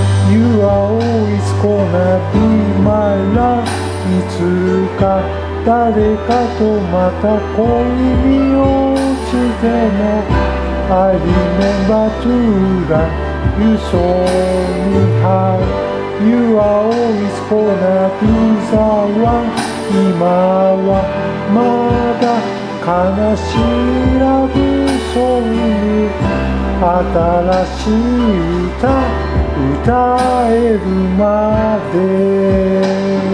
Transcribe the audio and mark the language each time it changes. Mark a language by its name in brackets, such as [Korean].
[English] You are always gonna be my love. [Japanese] いつか誰かとまた恋に落ちても、 [English] I remember to love you so high. You are always gonna be someone. [Japanese] 今はまだ悲しいラブソング、新しい歌歌えるまで。